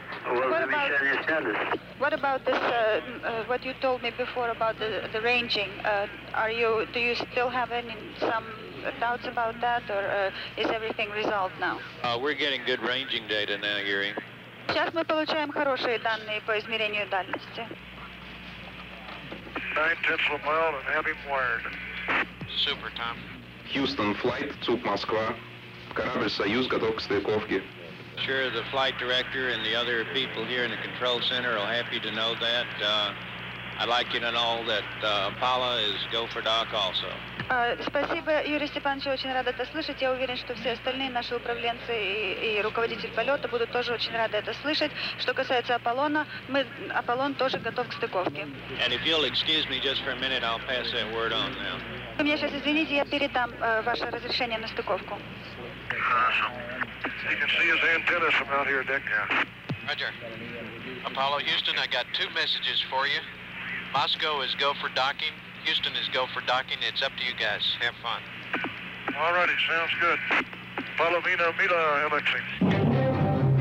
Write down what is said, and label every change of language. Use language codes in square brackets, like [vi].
[en] What about this, what you told me before about the ranging? Do you still have any some doubts about that, or is everything resolved now? We're getting good ranging data now, Yuri. [ru] Сейчас мы получаем хорошие данные по измерению дальности. [en] 9 tenths of a mile and having wired. Super, Tom. [ru] Houston flight, ЦУП Москва. Корабль «Союз» готов к стыковке. [en] Sure, the flight director and the other people here in the control center are happy to know that. I'd like you to know that Apollo is go for dock also. [ru] Спасибо, Юрий Степанович, очень рада это слышать. Я уверен, что все остальные наши управленцы и руководитель полета будут тоже очень рады это слышать. Что касается Аполлона, Аполлон тоже готов к стыковке. [en] And if you'll excuse me just for a minute, I'll pass that word on now. [ru] Вы меня сейчас извините, я передам ваше разрешение на стыковку. Хорошо. [en] You can see his antennas from out here, Dick. Yeah. Roger. Apollo Houston, I got two messages for you. Moscow is go for docking. Houston is go for docking. It's up to you guys. Have fun. All righty, sounds good. Apollo Mina Mila LXC.